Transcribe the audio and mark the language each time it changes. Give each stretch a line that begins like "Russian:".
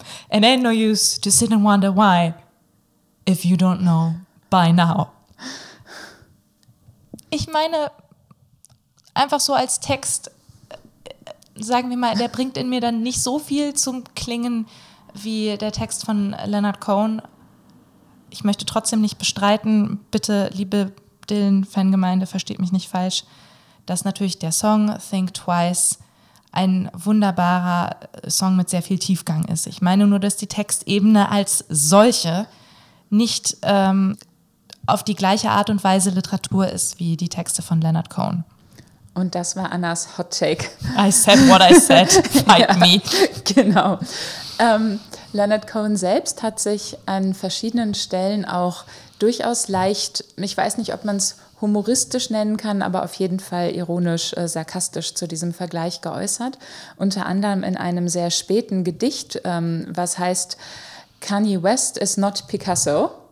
English: It ain't no use to sit and wonder why, if you don't know by now.
German: Ich meine, einfach so als Text, sagen wir mal, der bringt in mir dann nicht so viel zum Klingen wie der Text von Leonard Cohen. Ich möchte trotzdem nicht bestreiten, bitte, liebe Dylan-Fangemeinde, versteht mich nicht falsch, dass natürlich der Song Think Twice ein wunderbarer Song mit sehr viel Tiefgang ist. Ich meine nur, dass die Textebene als solche nicht auf die gleiche Art und Weise Literatur ist wie die Texte von Leonard Cohen. Und das war Annas Hot Take.
English: I said what I said, fight me.
German: Genau. Leonard Cohen selbst hat sich an verschiedenen Stellen auch durchaus leicht, ich weiß nicht, ob man es humoristisch nennen kann, aber auf jeden Fall ironisch, sarkastisch zu diesem Vergleich geäußert. Unter anderem in einem sehr späten Gedicht, was heißt Kanye West is not Picasso.